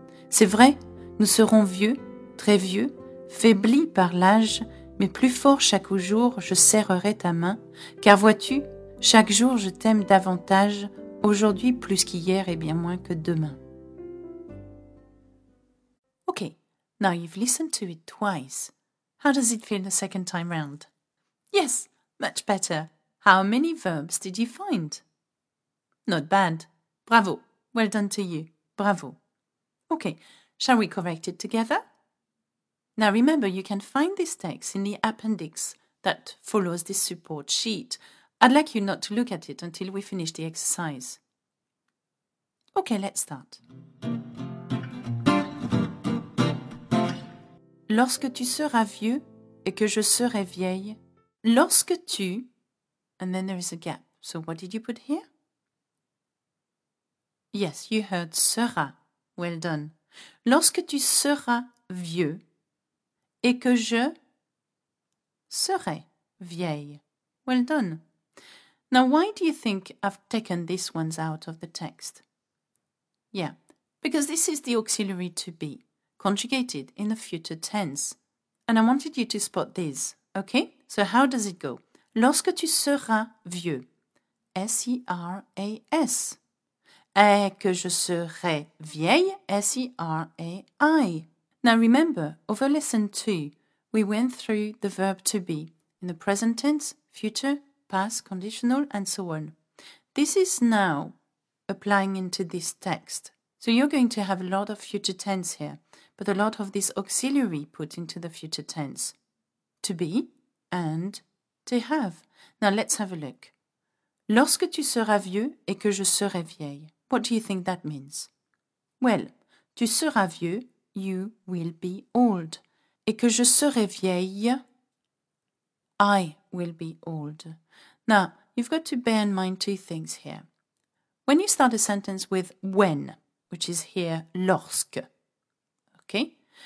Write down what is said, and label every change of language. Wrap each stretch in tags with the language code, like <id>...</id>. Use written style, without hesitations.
<fr>C'est vrai, nous serons vieux, très vieux, faiblis par l'âge, mais plus fort chaque jour, je serrerai ta main, car vois-tu, chaque jour je t'aime davantage, aujourd'hui plus qu'hier et bien moins que demain.</fr> <en>Okay, now you've listened to it twice. How does it feel the second time round? Yes, much better. How many verbs did you find? Not bad. Bravo. Well done to you. Bravo. Okay, shall we correct it together? Now remember, you can find this text in the appendix that follows this support sheet. I'd like you not to look at it until we finish the exercise. Okay, let's start.</en> <fr>Lorsque tu seras vieux et que je serai vieille, lorsque tu...</fr> <en>And then there is a gap. So what did you put here? Yes, you heard sera. Well done.</en> <fr>Lorsque tu seras vieux et que je serai vieille.</fr> <en>Well done. Now, why do you think I've taken these ones out of the text? Yeah, because this is the auxiliary to be, conjugated in the future tense. And I wanted you to spot this, okay? So how does it go?</en> <fr>Lorsque tu seras vieux, S-E-R-A-S, et que je serai vieille, S-E-R-A-I.</fr> <en>Now remember, over lesson 2, we went through the verb to be, in the present tense, future, past, conditional, and so on. This is now applying into this text. So you're going to have a lot of future tense here, but a lot of this auxiliary put into the future tense, to be and to have. Now let's have a look.</en> <fr>Lorsque tu seras vieux et que je serai vieille.</fr> <en>What do you think that means? Well,</en> <fr>tu seras vieux,</fr> <en>you will be old.</en> <fr>Et que je serai vieille,</fr> <en>I will be old. Now, you've got to bear in mind two things here. When you start a sentence with when, which is here, lorsque, okay?</en>